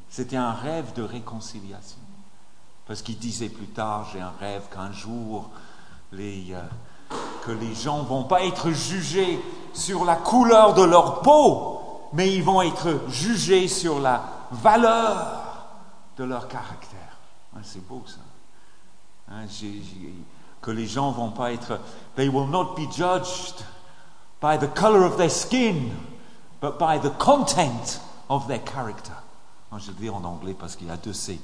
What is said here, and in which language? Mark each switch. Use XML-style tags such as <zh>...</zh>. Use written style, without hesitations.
<fr>C'était un rêve de réconciliation. Parce qu'il disait plus tard, j'ai un rêve qu'un jour, que les gens ne vont pas être jugés sur la couleur de leur peau, mais ils vont être jugés sur la valeur de leur caractère. Hein, c'est beau ça. Hein, que les gens vont pas être.</fr> <en>They will not be judged by the color of their skin, but by the content of their character.</en> <fr>Hein, je le dis en anglais parce qu'il y a deux C.</fr>